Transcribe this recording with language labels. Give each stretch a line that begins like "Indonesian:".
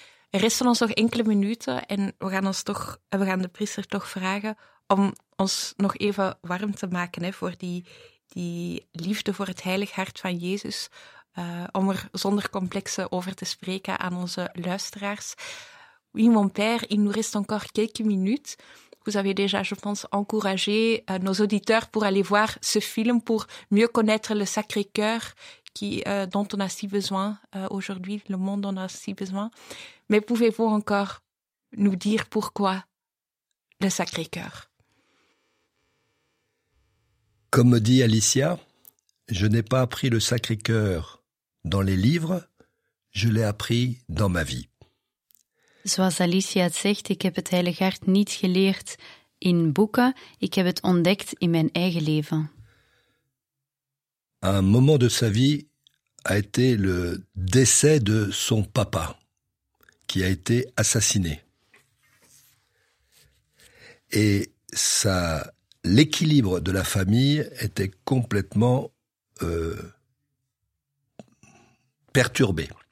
Dutch: Er is ons nog enkele minuten en we gaan de priester toch vragen om ons nog even warm te maken, hè, voor die liefde voor het Heilig Hart van Jezus, om er zonder complexen over te spreken aan onze luisteraars.
French: Oui, mon père, il nous reste encore quelques minutes. Vous avez déjà, je pense, encouragé nos auditeurs pour aller voir ce film, pour mieux connaître le Sacré-Cœur dont on a si besoin aujourd'hui, le monde en a si besoin. Mais pouvez-vous encore nous dire pourquoi le Sacré-Cœur? Comme dit Alicia, je n'ai pas appris le Sacré-Cœur dans les livres, je l'ai appris dans ma vie.
Dutch: Zoals Alicia het zegt, ik heb het Heilig Hart niet geleerd in boeken, ik heb het ontdekt in mijn eigen leven.
French: Un moment de sa vie a été le décès de son papa, qui a été assassiné. Et ça. L'équilibre de la famille était complètement perturbé.